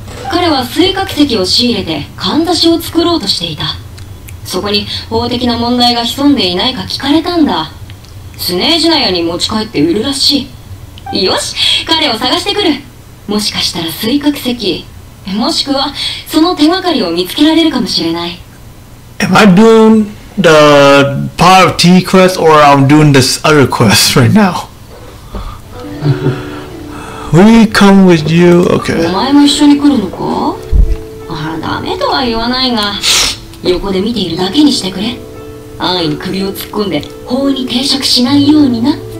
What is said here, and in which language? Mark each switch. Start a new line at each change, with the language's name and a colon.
Japanese: 彼は水角石を仕入れてかんざしを作ろうとしていた。そこに法的な問題が潜んでいないか聞かれたんだ。スネージナヤに持ち帰って売るらしい。よし、彼を探してくる。もしかしたら水角石、もしくはその手がかりを見つけられるかもしれない。
English: Am I doing the part of tea quest or I'm doing this other quest right now? We come with you, okay.
Japanese: お前も一緒に来るのか？あ、ダメとは言わないが、横で見ているだけにしてくれ。安易に首を突っ込んで法に抵触しないようにな。